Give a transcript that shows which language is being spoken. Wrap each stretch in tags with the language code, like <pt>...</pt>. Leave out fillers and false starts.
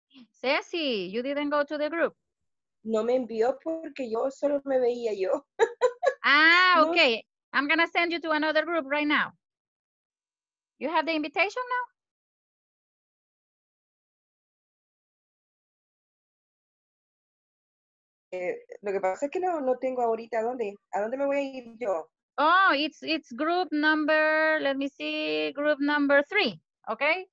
<en>Ceci, you didn't go to the group.</en> <es>No me envió porque yo solo me veía yo.</es> <en>Ah, okay. I'm gonna send you to another group right now. You have the invitation now?</en> <es>Lo que pasa es que no tengo ahorita dónde. ¿A dónde me voy a ir yo?</es> <en>Oh, it's group number, let me see, group number 3, okay?</en>